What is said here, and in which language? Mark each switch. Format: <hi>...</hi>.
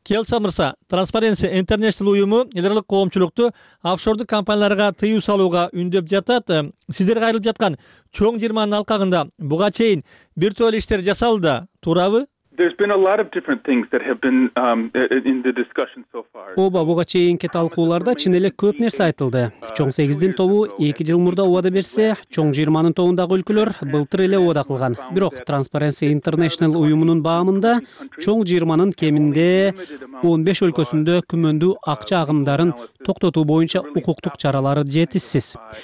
<ky>Келса мырса, Transparency International уюму эдерлик коомчулукту офшордук компанияларга тыюу салууга үндөп жатат. Сиздер кайрылып жаткан чоң 20 алкагында буга чейин бир тоо иштер жасалды, туурабы?</ky> <en>There's been a lot of different things that have been in the discussion so far.</en> <ky>Ооба, буга чейинки талкууларда чын эле көп нерсе айтылды. Чоң 8 тобу 2 жыл мурда убада берсе, чоң 20 тобундагы өлкөлөр былтыр эле убада кылган. Бирок Transparency International уюмунун баамында чоң 20 кеминде 15 өлкөсүндө күмөндүү акча агымдарын токтотуу боюнча укуктук чаралары жетишсиз.</ky>